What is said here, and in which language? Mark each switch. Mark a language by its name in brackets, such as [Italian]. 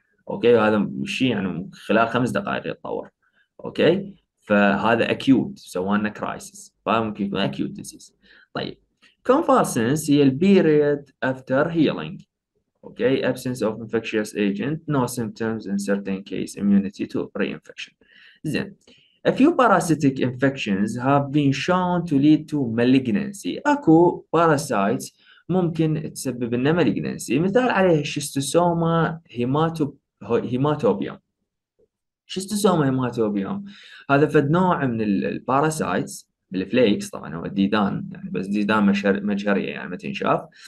[Arabic] اوكي وهذا الشيء يعني خلال 5 دقائق يتطور. اوكي فهذا اكيوت، سوى لنا كرايسيس، فممكن يكون اكيوت ديزيز. طيب كونفالسنس هي البيريد افتر هيلينج. اوكي ابسنس اوف انفكشيوس ايجنت، نو سيمبتومز ان سيرتين كيس، اميونيتي تو ري انفكشن. [English] زين A few parasitic infections have been shown to lead to malignancy. [Arabic] اكو parasites ممكن تسبب لنا malignancy، مثال عليه الشيستوسوما هيماتوبيوم. شيستوسوما هيماتوبيوم هذا فد نوع من الباراسايتس بالفليكس، طبعا هو الديدان يعني بس ديدان مجهريه يعني ما تنشاف.